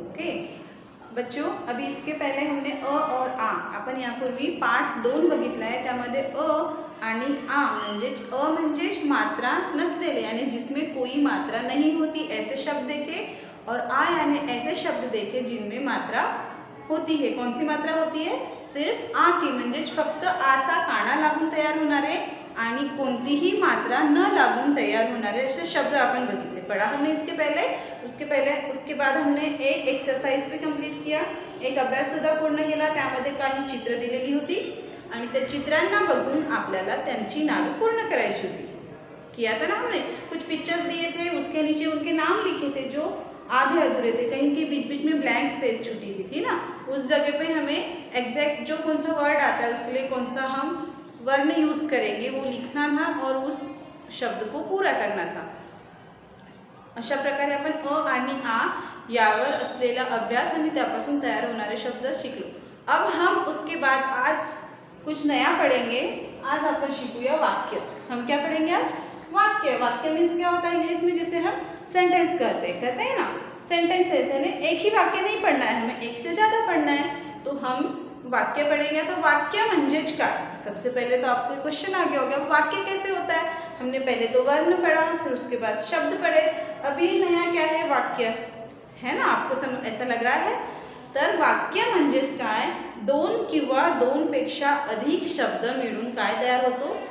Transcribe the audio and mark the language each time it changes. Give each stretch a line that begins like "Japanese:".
Hindi: Okay बच्चों, अभी इसके पहले हमने अ और आ
Marathi: अपन यापूर्वी पाठ दोन बघितला
Hindi: है,
Marathi: त्यामध्ये अ आणि आ म्हणजे अ म्हणजे मात्रा नसलेले
Hindi: यानी जिसमें कोई मात्रा नहीं होती ऐसे शब्द देखे, और आ यानी ऐसे शब्द देखे जिनमें मात्रा होती है। कौन सी मात्रा होती है? सिर्फ आ की,
Marathi: म्हणजे फक्त आचा काना लागून तयार होणारे आणि कोणतीही मात्रा न लागून तयार होणारे असे शब्द आपण बघितले।
Hindi: पढ़ा हमने इसके पहले, उसके बाद हमने एक एक्सरसाइज भी कंप्लीट किया,
Marathi: एक अभ्यास सुद्धा पूर्ण केला, त्यामध्ये काही चित्र दिलेली होती आणि त्या चित्रांना बघून आपल्याला त्यांची नावे पूर्ण करायची होती।
Hindi: किया था ना हमने, कुछ पिक्चर्स दिए थे उसके नीचे उनके नाम लिखे थे जो आधे अधूरे थे, कहीं के बीच बीच में ब्लैंक स्पेस छूटी हुई थी ना, उस जगह पे हमें एग्जैक्ट जो कौन सा वर्ड आता है उसके लिए कौन सा हम वर्ण यूज़ करेंगे वो लिखना था और उस शब्द को पूरा करना था।
Marathi: अशा प्रकारे अपन अ आणि आ यावर असलेला अभ्यास आणि त्यापासून तयार होणारे शब्द शिकलो।
Hindi: अब हम उसके बाद आज कुछ नया पढ़ेंगे।
Marathi: आज आपण शिकूया वाक्य।
Hindi: हम क्या पढ़ेंगे आज? वाक्य। वाक्य मीन्स क्या होता है इंग्लिश में? जिसे हम सेंटेंस करते हैं ना, सेंटेंसेस है ना, एक ही वाक्य नहीं पढ़ना है हमें, एक से ज़्यादा पढ़ना है, तो हम वाक्य पढ़ेंगे। तो
Marathi: वाक्य म्हणजे काय?
Hindi: सबसे पहले तो आपको क्वेश्चन आ गया होगा, वाक्य कैसे होता है? हमने पहले तो वर्ण पढ़ा, फिर उसके बाद शब्द पढ़े, अभी नया क्या है? वाक्य है ना, आपको ऐसा लग रहा है।
Marathi: तर वाक्य म्हणजे काय? दोन किंवा दोनपेक्षा अधिक शब्द मिळून काय तयार होतो?